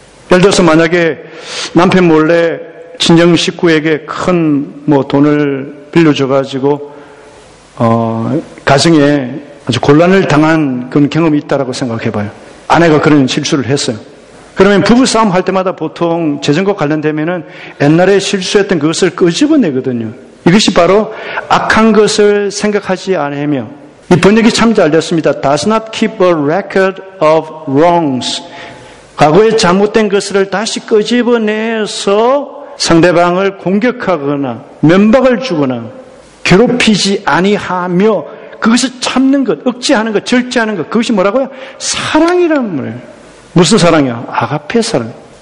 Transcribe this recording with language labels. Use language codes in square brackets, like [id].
[ko] 예를 들어서 만약에 남편 몰래 친정 식구에게 큰 뭐 돈을 빌려줘가지고 가정에 아주 곤란을 당한 그런 경험이 있다라고 생각해봐요. 아내가 그런 실수를 했어요. 그러면 부부싸움 할 때마다 보통 재정과 관련되면은 옛날에 실수했던 그것을 끄집어내거든요. 이것이 바로 악한 것을 생각하지 않으며 이 번역이 참 잘 됐습니다. [en] Does not keep a record of wrongs. [ko] 과거에 잘못된 것을 다시 끄집어내서 상대방을 공격하거나 면박을 주거나 괴롭히지 아니하며 그것을 참는 것, 억제하는 것, 절제하는 것, 그것이 뭐라고요? 사랑이란 말이에요. 무슨 사랑이야? 아가페 사랑.